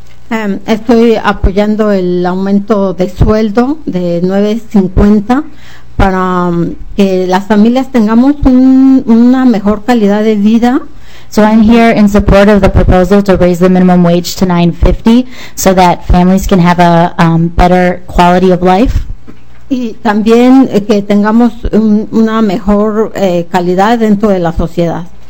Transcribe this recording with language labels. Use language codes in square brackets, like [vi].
[es] Estoy apoyando el aumento de sueldo de 9.50 para que las familias tengamos una mejor calidad de vida. [en] So I'm here in support of the proposal to raise the minimum wage to $9.50 so that families can have a better quality of life. [es] Y también que tengamos una mejor calidad dentro de la sociedad.